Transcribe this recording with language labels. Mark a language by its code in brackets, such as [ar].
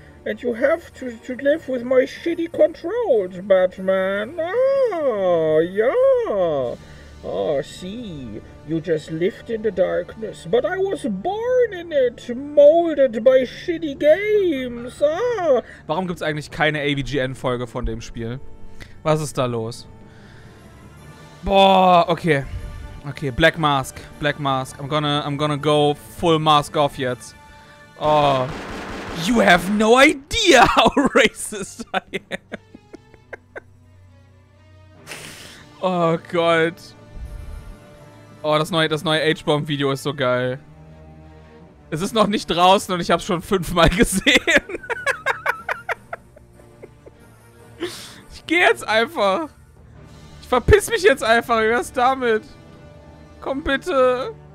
[en] And you have to live with my shitty controls, Batman! Ah, yeah! Ah, see... You just lived in the darkness, but I was born in it, molded by shitty games. Ah. [de] Warum gibt's eigentlich keine AVGN-Folge von dem Spiel? Was ist da los? Boah, okay. Black Mask. [en] I'm gonna go full mask off jetzt. Oh, you have no idea how racist I am. [de] Oh Gott. Oh, das neue H-Bomb-Video ist so geil. Es ist noch nicht draußen und ich habe es schon 5-mal gesehen. Ich gehe jetzt einfach. Ich verpiss mich jetzt einfach. Wie wär's damit? Komm bitte.